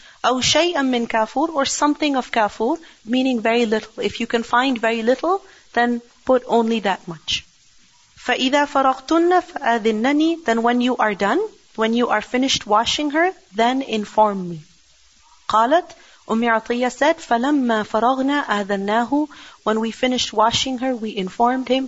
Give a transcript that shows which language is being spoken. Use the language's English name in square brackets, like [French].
[Arabic] أَوْ شَيْئًا مِّن [English] kafur, or something of kafur, meaning very little. If you can find very little, then put only that much. [Arabic] فَإِذَا فَرَغْتُنَّ فَأَذِنَّنِي. [English] Then when you are done, when you are finished washing her, then inform me. [Arabic] قالت أم عطية said, فلما فرغنا آذناه. [English] When we finished washing her, we informed him.